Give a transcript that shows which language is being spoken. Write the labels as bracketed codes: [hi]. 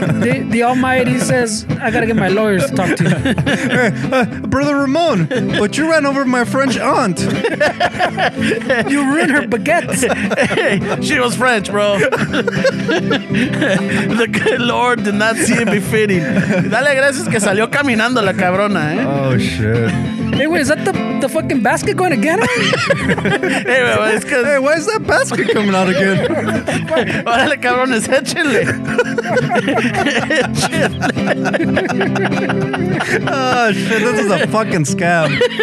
[en] The Almighty says, I got to get my lawyers to talk to you. Brother Ramon, but you ran over my French aunt. You ruined her baguettes. Hey, she was French, bro. The good Lord did not see it befitting. [es] Dale gracias que salió caminando la cabrona, eh? [en] Oh, shit. Hey, wait, is that the fucking basket going again? Hey, wait, it's because... Hey, why is that basket coming out again? [es] Órale, cabrones, échenle. [en] Oh, shit, this is a fucking scam.